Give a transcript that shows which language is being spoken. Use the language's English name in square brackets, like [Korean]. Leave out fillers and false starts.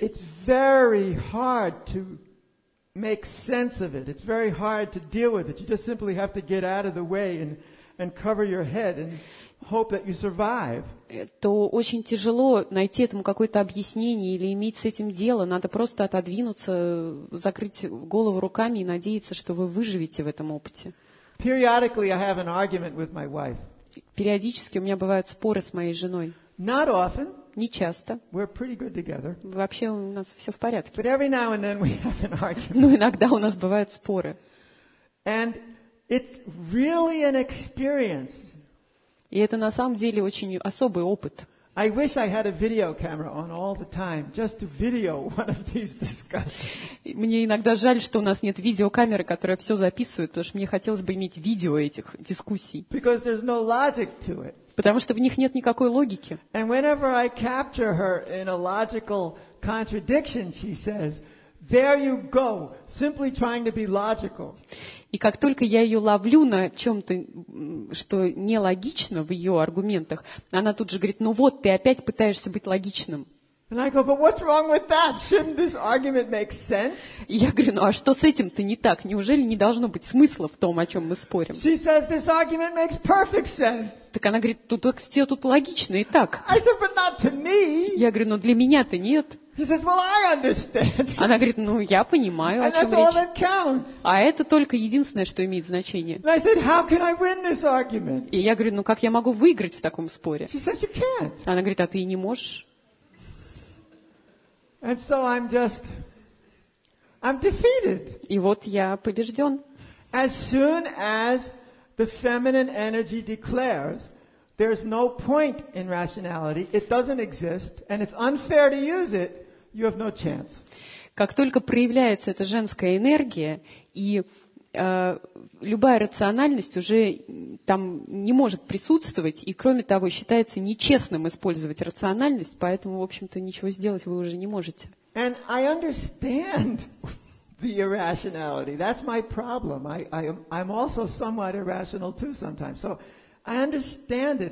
[English] it's very hard to make sense of it. It's very hard to deal with it. You just simply have to get out of the way and cover your head and hope that you survive. [Russian] То очень тяжело найти этому какое-то объяснение или иметь с этим дело. Надо просто отодвинуться, закрыть голову руками и надеяться, что вы выживете в этом опыте. [English] Periodically I have an argument with my wife. [Russian] Периодически у меня бывают споры с моей женой. [English] Not often. [Russian] Не часто. [English] We're pretty good together. [Russian] Вообще у нас все в порядке. [English] But every now and then we have an argument. [Russian] Но иногда у нас бывают споры. [English] And it's really an experience. [Russian] И это на самом деле очень особый опыт. [English] I wish I had a video camera on all the time, just to video one of these discussions. [Russian] Мне иногда жаль, что у нас нет видеокамеры, которая все записывает, потому что мне хотелось бы иметь видео этих дискуссий. [English] Because there's no logic to it. [Russian] Потому что в них нет никакой логики. [English] And whenever I capture her in a logical contradiction, she says, "There you go, simply trying to be logical." [Russian] И как только я ее ловлю на чем-то, что нелогично в ее аргументах, она тут же говорит, ну вот, ты опять пытаешься быть логичным. [English] I go, but what's wrong with that? Shouldn't this argument make sense? [Russian] Я говорю, ну а что с этим-то не так? Неужели не должно быть смысла в том, о чем мы спорим? [English] She says, this argument makes perfect sense. [Russian] Так она говорит, тут все тут логично и так. [English] I said, but not to me. [Russian] Я говорю, ну для меня-то нет. [English] She says, well, I understand. [Russian] Она говорит, ну я понимаю, о [English] And [Russian] чем [English] that's [Russian] речь. [English] All that counts. [Russian] А это только единственное, что имеет значение. [English] And I said, how can I win this argument? [Russian] И я говорю, ну как я могу выиграть в таком споре? [English] She says, you can't. [Russian] Она говорит, а ты и не можешь. [English] And so I'm defeated. [Russian] И вот я побежден. [English] As soon as the feminine energy declares, there's no point in rationality, it doesn't exist, and it's unfair to use it, you have no chance. [Russian] Как только проявляется эта женская энергия, и любая рациональность уже там не может присутствовать, и, кроме того, считается нечестным использовать рациональность, поэтому, в общем-то, ничего сделать вы уже не можете. [English] And I understand the irrationality. That's my problem. I'm also somewhat irrational too sometimes. So I understand it.